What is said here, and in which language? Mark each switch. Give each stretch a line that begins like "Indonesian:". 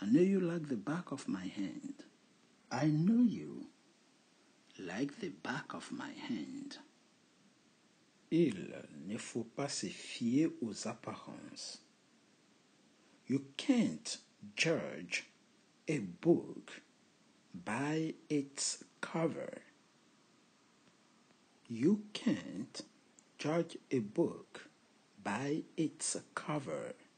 English: I know you like the back of my hand. I know you like the back of my hand.
French: Il ne faut pas se fier aux apparences.
English: You can't judge a book by its cover. You can't judge a book by its cover.